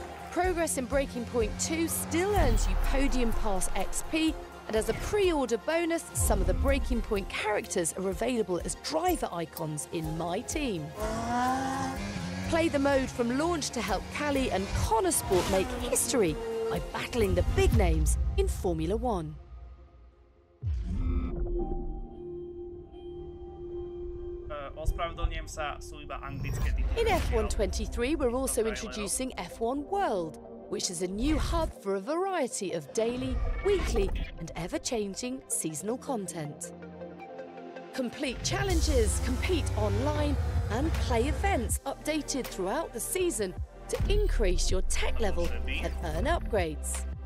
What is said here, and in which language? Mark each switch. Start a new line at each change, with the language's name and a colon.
English: Progress in Breaking Point 2 still earns you Podium Pass XP, and as a pre-order bonus, some of the Breaking Point characters are available as driver icons in My Team. Play the mode from launch to help Callie and Connor Sport make history by battling the big names in Formula One.
Slovak: Ospravedlňujem sa, sú iba anglické titulky.
English: In F1 23, we're also introducing F1 World, which is a new hub for a variety of daily, weekly, and ever-changing seasonal content. Complete challenges, compete online, and play events updated throughout the season to increase your tech level and earn upgrades.